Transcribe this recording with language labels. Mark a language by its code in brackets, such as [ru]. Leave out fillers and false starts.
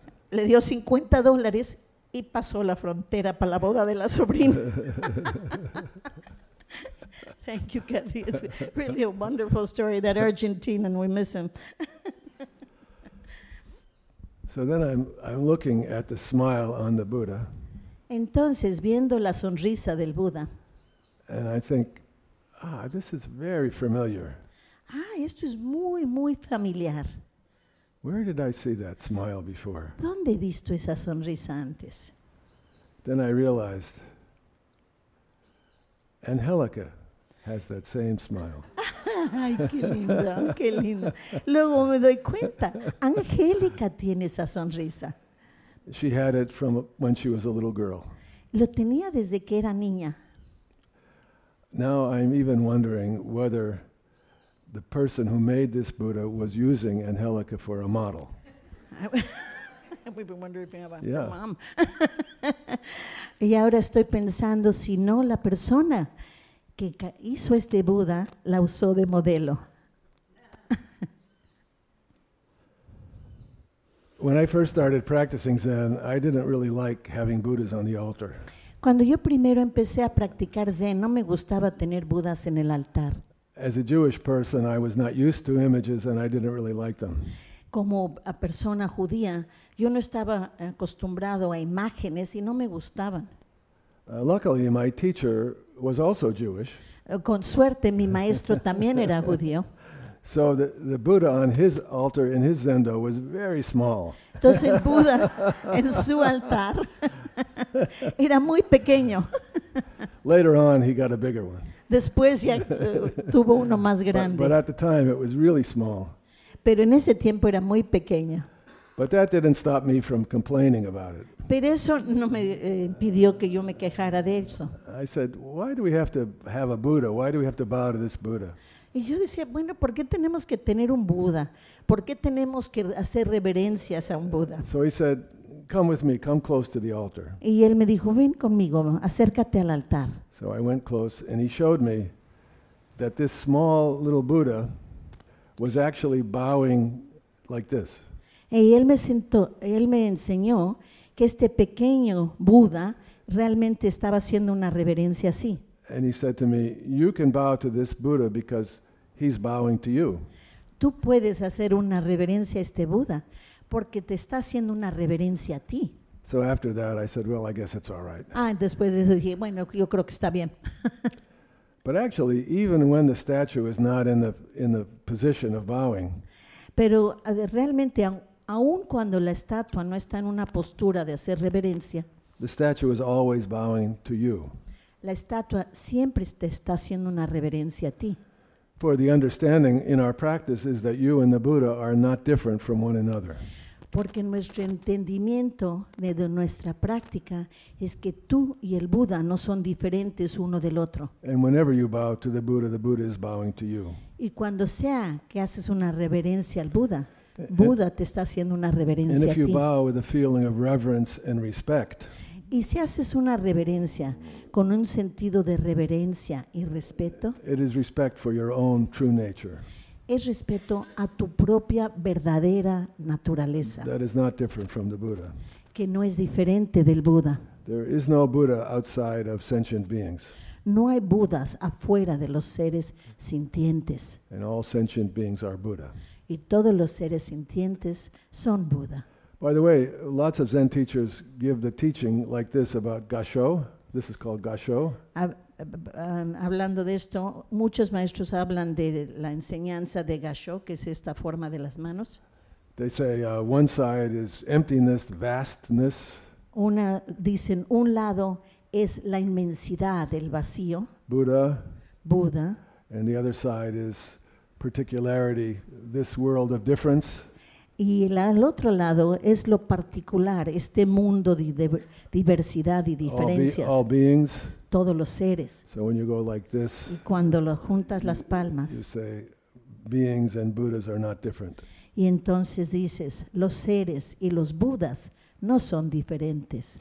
[es] Le dio $50 y pasó la frontera para la boda de la sobrina. [en] Thank you, Kathy. It's really a wonderful story, that Argentinian, we miss him. So then I'm looking at the smile on the Buddha. [es] Entonces, viendo la sonrisa del Buda. [en] And I think, this is very familiar. [es] Esto es muy, muy familiar. [en] Where did I see that smile before? [es] ¿Dónde he visto esa sonrisa antes? [en] Then I realized, Angelica has that same smile. [es] Ay, qué lindo, qué lindo. Luego me doy cuenta, Angelica tiene esa sonrisa. [en] She had it from when she was a little girl. [es] Lo tenía desde que era niña. [en] Now I'm even wondering whether the person who made this Buddha was using Angelica for a model. We've been wondering about her mom. [es] Y ahora estoy pensando si no la persona que hizo este Buda la usó de modelo. [en] When I first started practicing Zen, I didn't really like having Buddhas on the altar. [es] Cuando yo primero empecé a practicar Zen, no me gustaba tener Budas en el altar. [en] As a Jewish person, I was not used to images and I didn't really like them. [es] Como a persona judía, yo no estaba acostumbrado a imágenes y no me gustaban. [en] Luckily, my teacher was also Jewish. [es] Con suerte, mi maestro también era judío. [en] So the Buddha on his altar in his zendo was very small. [es] Entonces el Buda en su altar era muy pequeño. [en] Later on, he got a bigger one. [es] Después ya tuvo uno más grande. [en] But at the time, it was really small. [es] Pero en ese tiempo era muy pequeño. [en] But that didn't stop me from complaining about it. [es] Pero eso no me impidió que yo me quejara de eso. [en] I said, why do we have to have a Buddha? Why do we have to bow to this Buddha? [es] Y yo decía, bueno, ¿por qué tenemos que tener un Buda? ¿Por qué tenemos que hacer reverencias a un Buda? [en] So he said, come with me, come close to the altar. [es] Y él me dijo, ven conmigo, acércate al altar. [en] So I went close and he showed me that this small little Buddha was actually bowing like this. [es] Y él me sentó, él me enseñó que este pequeño Buda realmente estaba haciendo una reverencia así. [en] And he said to me, you can bow to this Buddha because he's bowing to you. [es] Tú puedes hacer una reverencia a este Buda porque te está haciendo una reverencia a ti. [en] So after that I said, well, I guess it's all right. [es] Ah, después de eso dije, bueno, yo creo que está bien. [en] But actually, even when the statue is not in the position of bowing. [es] Pero realmente aun cuando la estatua no está en una postura de hacer reverencia. [en] The statue is always bowing to you. [es] La estatua siempre te está haciendo una reverencia a ti. [en] For the understanding in our practice is that you and the Buddha are not different from one another. [es] Porque nuestro entendimiento de nuestra práctica es que tú y el Buda no son diferentes uno del otro. [en] And whenever you bow to the Buddha is bowing to you. [es] Y cuando sea que haces una reverencia al Buda, Buda te está haciendo una reverencia a ti. [en] And if you bow with a feeling of reverence and respect, [es] y si haces una reverencia con un sentido de reverencia y respeto, [en] it is respect for your own true nature. [es] Es respeto a tu propia verdadera naturaleza. [en] That is not different from the Buddha. [es] Que no es diferente del Buda. [en] There is no Buddha outside of sentient beings. [es] No hay Budas afuera de los seres sintientes. [en] And all sentient beings are Buddha. [es] Y todos los seres sintientes son Buda. [en] By the way, lots of Zen teachers give the teaching like this about Gassho. This is called Gassho. [es] Hablando de esto, muchos maestros hablan de la enseñanza de Gassho, que es esta forma de las manos. [en] They say one side is emptiness, vastness. [es] Una dicen un lado es la inmensidad, el vacío. [en] Buddha. [es] Buda. [en] And the other side is particularity, this world of difference. [es] Y al otro lado es lo particular, este mundo de diversidad y diferencias. [en] All beings, [es] todos los seres. [en] So when you go like this, [es] y cuando lo juntas las palmas, [en] you say, beings and Buddhas are not different. [es] Y entonces dices, los seres y los Budas no son diferentes.